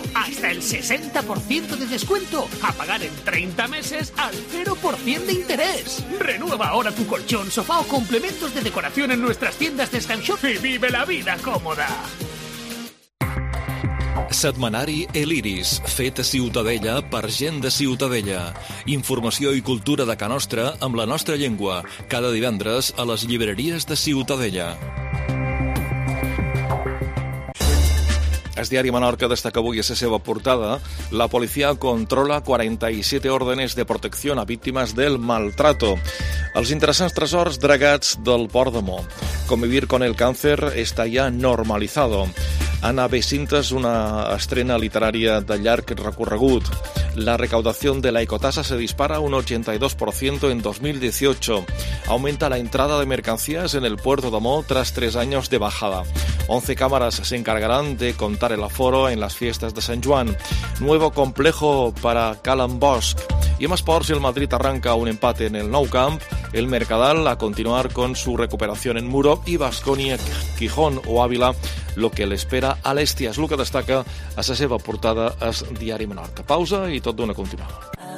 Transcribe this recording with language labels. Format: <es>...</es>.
<es>Hasta el 60% de descuento a pagar en 30 meses al 0% de interés. Renueva ahora tu colchón, sofá o complementos de decoración en nuestras tiendas de Scanshop y vive la vida cómoda.</es> <ca>Setmanari El Iris, fet a Ciutadella per gent de Ciutadella. Informació i cultura de Can Nostre amb la nostra llengua. Cada divendres a les llibreries de Ciutadella. El diari Menorca destaca avui a la seva portada: la policia controla 47 órdenes de protecció a víctimes</ca> <es>del maltrato.</es> <ca>Els interessants tresors dragats del port de Mo.</ca> <es>Convivir con el cáncer está ya normalizado.</es> <ca>Ana Besintas, una estrena literària de llarg recorregut.</ca> <es>La recaudació de la ecotasa se dispara un 82% en 2018. Aumenta la entrada de mercancías en el puerto de Mo tras 3 años de bajada. 11 cámaras se encargarán de contar el aforo en las fiestas de San Juan. Nuevo complejo para Calan Bosch. Y más por si el Madrid arranca un empate en el Nou Camp, el Mercadal a continuar con su recuperación en Muro y Baskonia, Gijón o Ávila, lo que le espera a l'Estia.</es> <ca>És el que destaca a la seva portada al diari Menorca. Pausa i tot d'una continuada.</ca>